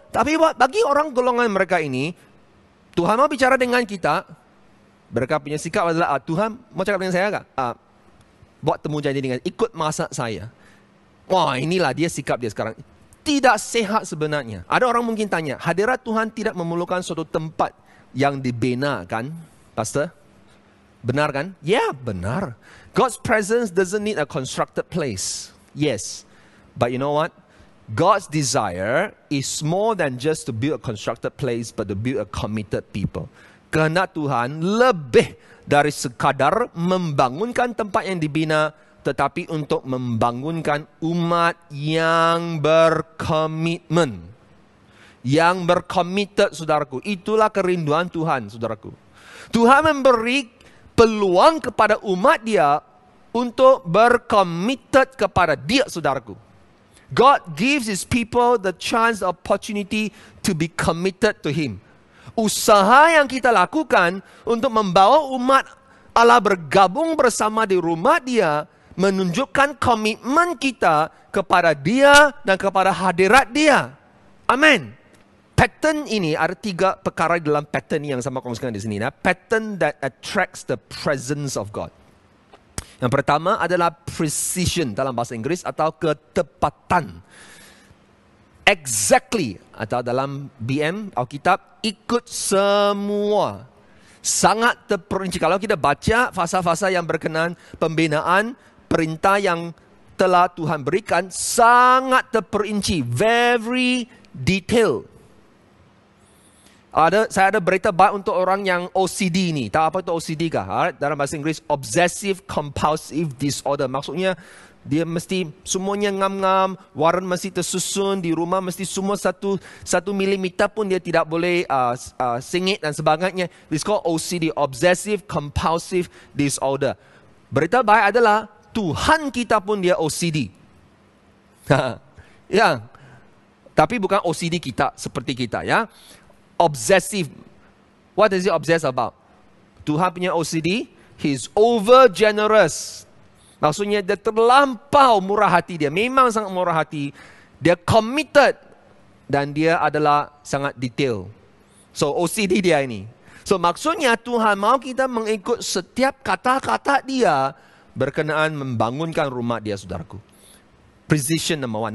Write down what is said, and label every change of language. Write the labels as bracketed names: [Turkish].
[Malay] Tapi bagi orang golongan mereka ini, Tuhan mau bicara dengan kita, mereka punya sikap adalah, Tuhan mau cakap dengan saya gak? Buat temu janji dengan, ikut masa saya. Wah, inilah dia sikap dia sekarang. Tidak sehat sebenarnya. Ada orang mungkin tanya, hadirat Tuhan tidak memerlukan suatu tempat yang dibina kan, pastor? Benar kan? Ya, benar. [English] God's presence doesn't need a constructed place. Yes. But you know what? God's desire is more than just to build a constructed place, but to build a committed people. [Malay] Kehendak Tuhan lebih dari sekadar membangunkan tempat yang dibina, tetapi untuk membangunkan umat yang berkomitmen. yang berkomited, saudaraku. Itulah kerinduan Tuhan, saudaraku. Tuhan memberi peluang kepada umat dia untuk berkomited kepada dia, saudaraku. [English] God gives his people the chance, the opportunity to be committed to him. [Malay] Usaha yang kita lakukan untuk membawa umat Allah bergabung bersama di rumah dia menunjukkan komitmen kita kepada dia dan kepada hadirat dia. Amin. Pattern ini, ada tiga perkara dalam pattern yang sama kongsikan di sini. [English] Nah, pattern that attracts the presence of God. [Malay] Yang pertama adalah precision dalam bahasa Inggeris atau ketepatan. Exactly atau dalam BM, Alkitab, ikut semua. Sangat terperinci. Kalau kita baca fasa-fasa yang berkenaan pembinaan, perintah yang telah Tuhan berikan, sangat terperinci. [English] Very detail. [Malay] Saya ada berita baik untuk orang yang OCD ni. Tahu apa itu OCD kah? Dalam bahasa Inggeris, Obsessive Compulsive Disorder. Maksudnya, dia mesti semuanya ngam-ngam, waran mesti tersusun, di rumah mesti semua satu milimeter pun dia tidak boleh singit dan sebagainya. [English] It's called OCD, Obsessive Compulsive Disorder. [Malay] Berita baik adalah Tuhan kita pun dia OCD. Ya, tapi bukan OCD kita seperti kita ya. Obsessive. [English] What is he obsessed about? [Malay] Tuhan punya OCD, [English] he's over generous. [Malay] Maksudnya dia terlampau murah hati dia. Memang sangat murah hati. Dia committed dan dia adalah sangat detail. So OCD dia ini. So maksudnya Tuhan mau kita mengikut setiap kata-kata dia berkenaan membangunkan rumah dia, saudaraku. Precision number one.